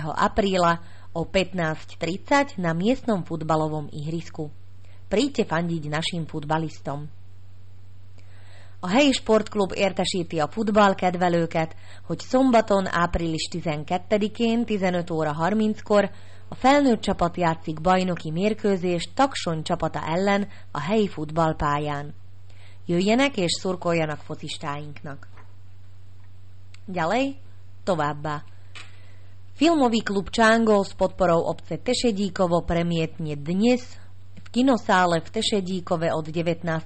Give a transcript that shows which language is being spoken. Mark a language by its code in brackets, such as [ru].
[sk] apríla o 15:30 na miestnom futbalovom ihrisku. Príďte fandiť našim futbalistom. [hu] A helyi sportklub értesíti a futballkedvelőket, hogy szombaton április 12-én 15:30-kor a felnőtt csapat játszik bajnoki mérkőzést Taksony csapata ellen a helyi futballpályán. Jöjjenek és szurkoljanak focistáinknak. [sk] Ďalej, [hu] továbbá. [sk] Filmový klub Čango s podporou obce Tešedíkovo premietne dnes v kinosále v Tešedíkove od 19.